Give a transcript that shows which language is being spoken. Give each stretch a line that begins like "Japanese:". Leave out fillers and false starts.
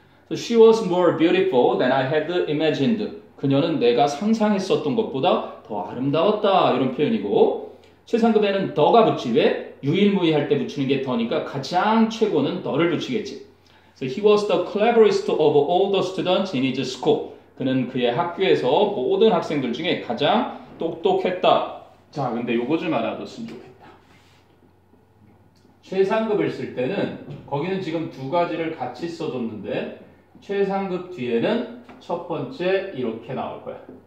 English: So she was more beautiful than I had imagined.
Korean: 그녀는 내가 상상했었던 것보다 더 아름다웠다. 이런 표현이고, 최상급에는 더가 붙지. 왜? 유일무이할 때 붙이는 게 더니까 가장 최고는 더를 붙이겠지.
English: So he was the cleverest of all the students in his school.
Korean: 그는 그의 학교에서 모든 학생들 중에 가장 똑똑했다. 자, 근데 요거 좀 알아뒀으면 좋겠다. 최상급을 쓸 때는 거기는 지금 두 가지를 같이 써줬는데 최상급 뒤에는 첫 번째 이렇게 나올 거야.